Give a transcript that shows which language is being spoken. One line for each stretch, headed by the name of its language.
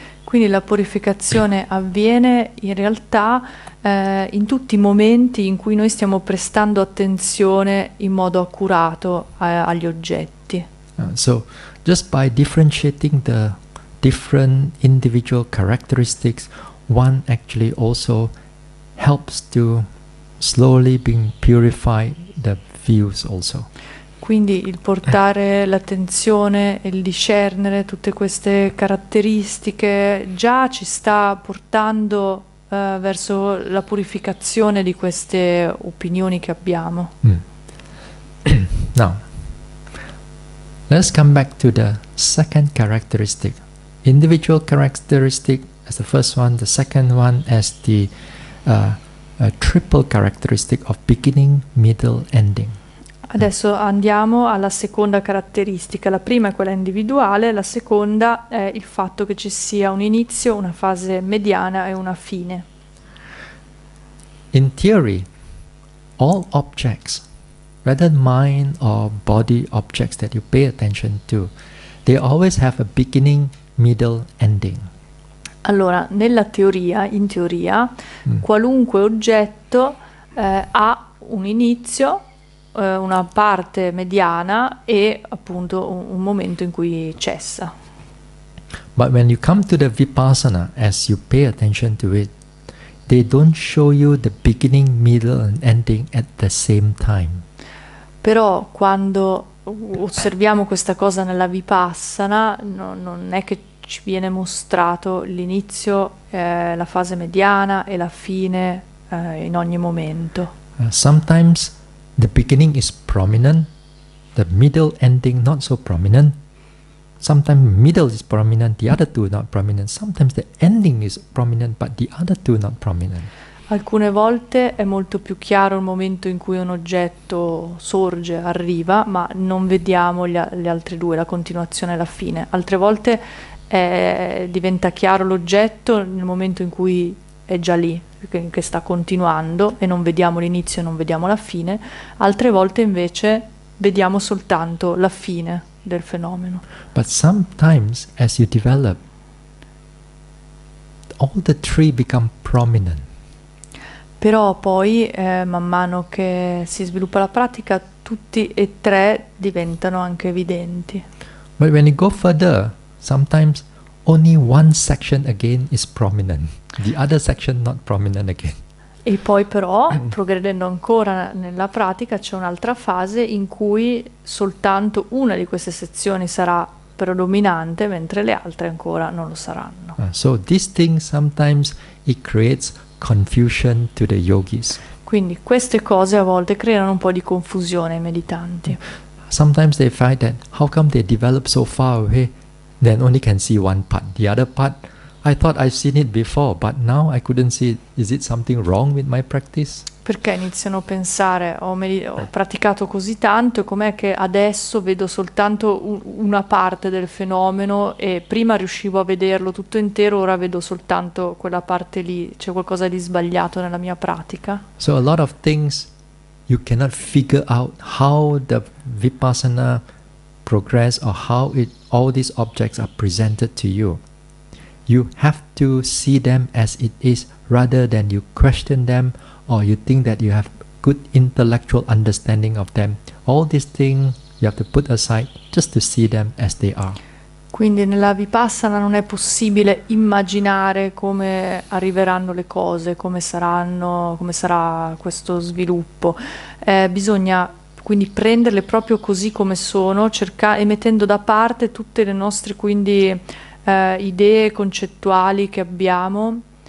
Italian: Quindi la purificazione avviene in realtà in tutti i momenti in cui noi stiamo prestando attenzione in modo accurato agli oggetti.
English: So just by differentiating the different individual characteristics, one actually also helps to slowly being purified the views also.
Italian: Quindi il portare l'attenzione e il discernere tutte queste caratteristiche già ci sta portando verso la purificazione di queste opinioni che abbiamo.
English: Now, let's come back to the second characteristic. Individual characteristic as the first one, the second one as the a triple characteristic of beginning, middle, ending.
Italian: Adesso andiamo alla seconda caratteristica. La prima è quella individuale, la seconda è il fatto che ci sia un inizio, una fase mediana e una fine.
English: In theory, all objects, whether mind or body objects that you pay attention to, they always have a beginning, middle, ending.
Italian: Allora, nella teoria, in teoria, qualunque oggetto ha un inizio, una parte mediana e appunto un momento in cui cessa.
English: But when you come to the Vipassana, as you pay attention to it, they don't show you the beginning, middle and ending at the same time.
Italian: Però quando osserviamo questa cosa nella Vipassana, non è che ci viene mostrato l'inizio, la fase mediana e la fine in ogni momento.
English: Sometimes the beginning is prominent, the middle ending not so prominent. Sometimes middle is prominent, the other two not prominent. Sometimes the ending is prominent, but the other two not prominent.
Italian: Alcune volte è molto più chiaro il momento in cui un oggetto sorge, arriva, ma non vediamo le altre due, la continuazione e la fine. Altre volte diventa chiaro l'oggetto nel momento in cui è già lì, che sta continuando e non vediamo l'inizio, non vediamo la fine, altre volte invece vediamo soltanto la fine del fenomeno.
English: But sometimes as you develop, all the three become prominent.
Italian: Però poi, man mano che si sviluppa la pratica, tutti e tre diventano anche evidenti.
English: But when you go further, sometimes only one section again is prominent, the other section not prominent again.
Italian: E poi però, progredendo ancora nella pratica, c'è un'altra fase in cui soltanto una di queste sezioni sarà predominante, mentre le altre ancora non lo saranno.
English: So this thing sometimes it creates confusion to the yogis.
Italian: Quindi queste cose a volte creano un po' di confusione ai meditanti.
English: Sometimes they find that how come they develop so far away, then only can see one part. The other part, I thought I've seen it before, but now I couldn't see it. Is it something wrong with my practice?
Italian: Perché iniziano a pensare, ho praticato così tanto, com'è che adesso vedo soltanto una parte del fenomeno e prima riuscivo a vederlo tutto intero, ora vedo soltanto quella parte lì, c'è qualcosa di sbagliato nella mia pratica?
English: So a lot of things you cannot figure out how the Vipassana progress or how it, all these objects are presented to you. You have to see them as it is rather than you question them or you think that you have good intellectual understanding of them. All these things you have to put aside just to see them as they are.
Italian: Quindi nella Vipassana non è possibile immaginare come arriveranno le cose, come saranno, come sarà questo sviluppo. Bisogna quindi prenderle proprio così come sono, cercare e mettendo da parte tutte le nostre quindi idee concettuali che abbiamo.